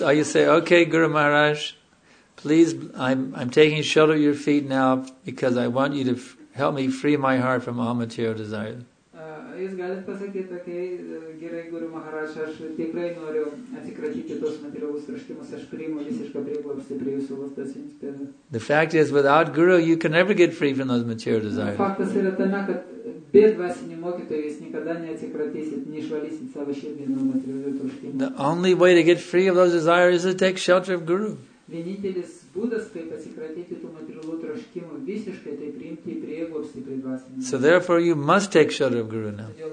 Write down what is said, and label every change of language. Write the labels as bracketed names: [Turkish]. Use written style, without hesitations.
[English] Alright, you say, okay, Guru Maharaj, please, I'm taking shelter at your feet now because I want you to help me free my heart from all material desires. [Lithuanian] Jūs galite pasakyti, okay, gerai, Guru Maharaj, aš tikrai noriu atsikratyti tos materialus troškimus, aš priimu visišką prieglobstį prie jūsų lotos. [English] The fact is, without Guru, you can never get free from those material desires. [Lithuanian] Faktas yra tame, kad be dvasinių mokytojų jūs niekada neatsikratysit, neišvalysit savo širdį nuo materialių troškimų. [English] The only way to get free of those desires is to take shelter of Guru. [Lithuanian] Vienintelis būdas, kaip atsikratyti tų materialių troškimų visiškai, tai priimti prieglobstį prie dvasinių. [English] So therefore you must take shelter of Guru now.